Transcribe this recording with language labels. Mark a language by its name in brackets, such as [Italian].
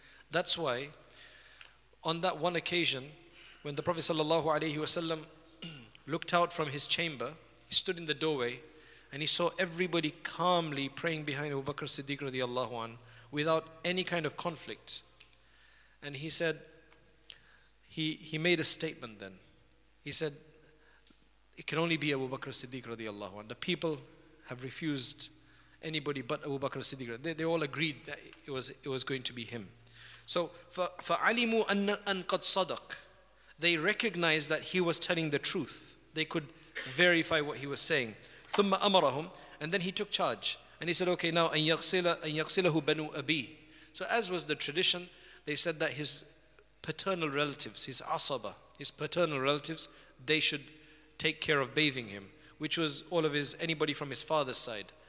[English] That's why on that one occasion, when the Prophet sallallahu alayhi wasallam looked out from his chamber, he stood in the doorway and he saw everybody calmly praying behind Abu Bakr Siddiq radiallahu anhu without any kind of conflict. And he said, he made a statement then. He said, it can only be Abu Bakr Siddiq radiallahu anhu. The people have refused anybody but Abu Bakr Siddiq. They all agreed that it was going to be him. [Arabic] So, فَعَلِمُوا أَنَّ قَدْ صَدَقْ. [English] They recognized that he was telling the truth. They could verify what he was saying. [Arabic] ثُمَّ أَمَرَهُمْ. [English] And then he took charge. And he said, okay, now, [Arabic] أَنْ يَغْسِلَهُ بَنُوا أَبِي. [English] So as was the tradition, they said that his paternal relatives, his asaba, his paternal relatives, they should take care of bathing him, which was all of anybody from his father's side.